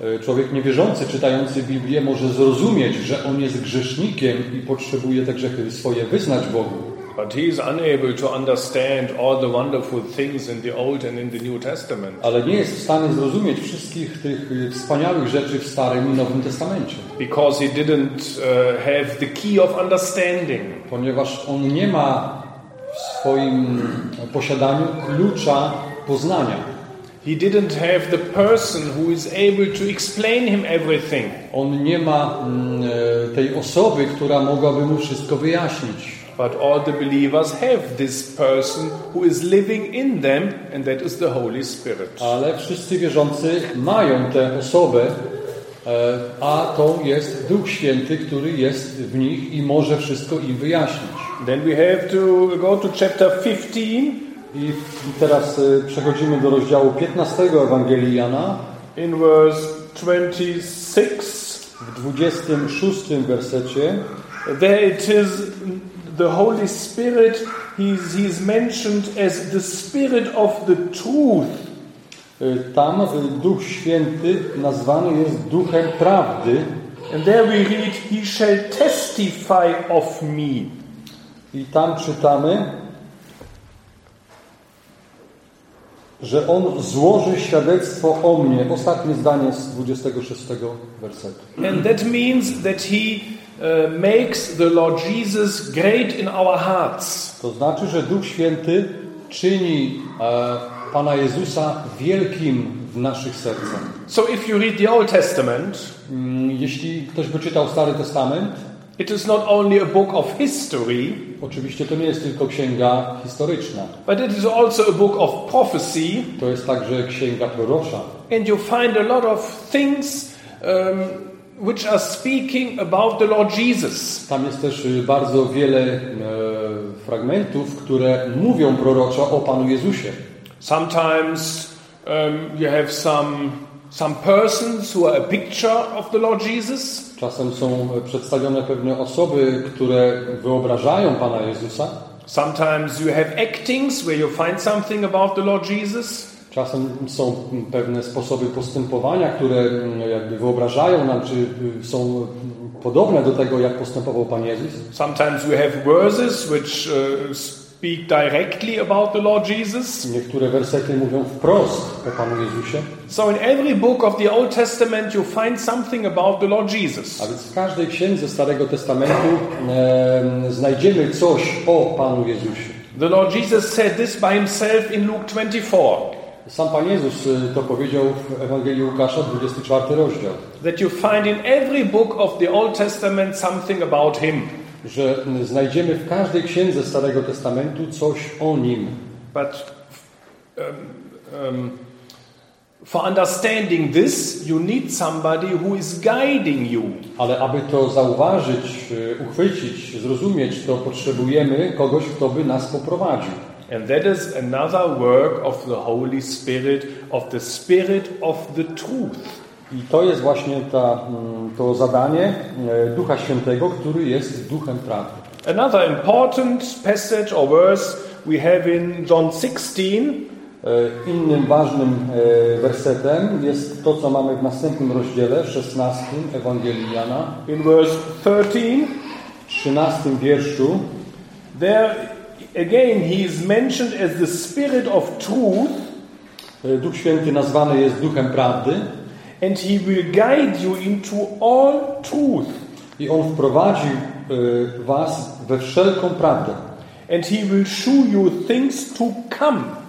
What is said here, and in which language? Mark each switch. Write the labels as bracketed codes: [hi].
[pl] Człowiek niewierzący czytający Biblię może zrozumieć, że on jest grzesznikiem i potrzebuje te grzechy swoje wyznać Bogu. [en] But he is unable to understand all the wonderful things in the Old and in the New Testament. [pl] Ale nie jest w stanie zrozumieć wszystkich tych wspaniałych rzeczy w Starym i Nowym Testamencie. [en] Because he didn't have the key of understanding. [pl] Ponieważ on nie ma w swoim posiadaniu klucza poznania. [en] He didn't have the person who is able to explain him everything. [pl] On nie ma tej osoby, która mogłaby mu wszystko wyjaśnić. [en] But all the believers have this person who is living in them, and that is the Holy Spirit. [pl] Ale wszyscy wierzący mają tę osobę, a to jest Duch Święty, który jest w nich i może wszystko im wyjaśnić. [en] Then we have to go to chapter 15. [pl] I teraz przechodzimy do rozdziału 15 Ewangelii Jana. [en] In verse 26. [pl] W 26 wersecie. [en] There it is. The Holy Spirit, he's mentioned as the Spirit of the Truth. [pl] Tam Duch Święty nazwany jest Duchem Prawdy. [en] And there we read, he shall testify of me. [pl] I tam czytamy, że on złoży świadectwo o mnie. Ostatnie zdanie z 26 wersetu. [en] And that means that he makes the Lord Jesus great in our hearts. [pl] To znaczy, że Duch Święty czyni Pana Jezusa wielkim w naszych sercach. [en] So if you read the Old Testament, [pl] jeśli ktoś by czytał Stary Testament, [en] it is not only a book of history. [pl] Oczywiście to nie jest tylko księga historyczna. [en] But it is also a book of prophecy. [pl] To jest także księga prorocza. [en] And you find a lot of things which are speaking about the Lord Jesus. [pl] Tam jest też bardzo wiele fragmentów, które mówią proroczo o Panu Jezusie. [en] Sometimes you have some persons who are a picture of the Lord Jesus. [pl] Czasem są przedstawione pewne osoby, które wyobrażają Pana Jezusa. [en] Sometimes you have actings where you find something about the Lord Jesus. [pl] Czasem są pewne sposoby postępowania, które jakby wyobrażają nam, czy są podobne do tego, jak postępował Pan Jezus. [en] Sometimes we have verses which speak directly about the Lord Jesus. [pl] Niektóre wersety mówią wprost o Panu Jezusie. [en] So in every book of the Old Testament you find something about the Lord Jesus. [pl] A więc w każdej księdze Starego Testamentu znajdziemy coś o Panu Jezusie. [en] The Lord Jesus said this by himself in Luke 24. [pl] Sam Pan Jezus to powiedział w Ewangelii Łukasza, 24 rozdział. [en] That you find in every book of the Old Testament something about him. [pl] Że znajdziemy w każdej księdze Starego Testamentu coś o nim. [en] But for understanding this, you need somebody who is guiding you. [pl] Ale aby to zauważyć, uchwycić, zrozumieć, to potrzebujemy kogoś, kto by nas poprowadził. [en] And that is another work of the Holy Spirit, of the Spirit of the Truth. [pl] I to jest właśnie ta, to zadanie Ducha Świętego, który jest duchem prawdy. [en] Another important passage or verse we have in John 16. [pl] Innym ważnym wersetem jest to, co mamy w następnym rozdziale, 16 Ewangelii Jana. [en] In verse 13. [pl] W 13 wierszu. [en] There again he is mentioned as the Spirit of Truth. [pl] Duch Święty nazwany jest duchem prawdy. [en] And he will guide you into all truth. [pl] I on wprowadzi was we wszelką prawdę. [en] And he will show you things to come.